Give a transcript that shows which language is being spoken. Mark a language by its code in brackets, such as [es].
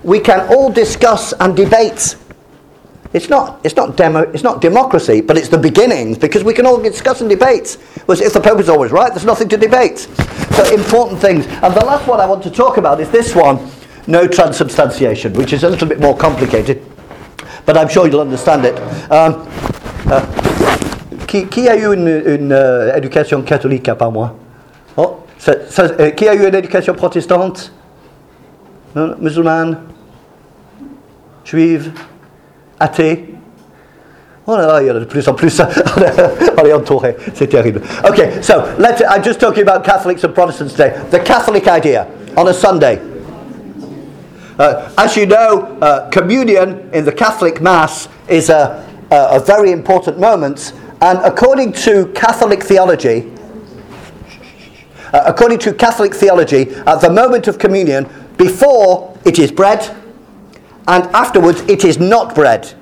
[en] We can all discuss and debate. It's not democracy, but it's the beginnings, because we can all discuss and debate. Whereas if the Pope is always right, there's nothing to debate. So important things. And the last one I want to talk about is this one, no transubstantiation, which is a little bit more complicated, but I'm sure you'll understand it. [fr] Qui a eu une éducation catholique à part moi? Oh, qui a eu une éducation protestante? Musulmane? Juive? Athée? Oh là là, il y en a de plus en plus. On est entouré. C'est terrible. [en] Okay, so I'm just talking about Catholics and Protestants today. The Catholic idea on a Sunday. As you know, communion in the Catholic Mass is a very important moment. And according to Catholic theology, at the moment of communion, before it is bread, and afterwards, it is not bread.